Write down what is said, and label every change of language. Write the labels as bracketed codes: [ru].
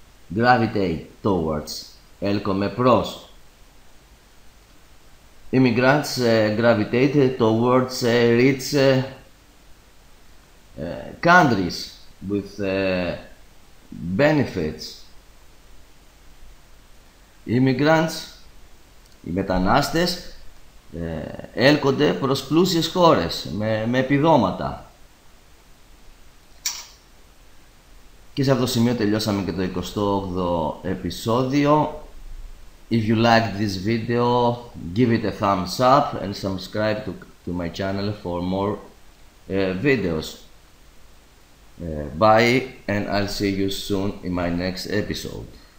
[en] Gravitate towards. [el] Elkome pros. [en] Immigrants gravitate towards rich countries with benefits. [el] Immigrants, οι μετανάστες, έλκονται προς πλούσιες χώρες με επιδόματα. Και σε αυτό το σημείο τελειώσαμε και το 28ο επεισόδιο. [en] If you liked this video, give it a thumbs up and subscribe to my channel for more videos. Bye, and I'll see you soon in my next episode.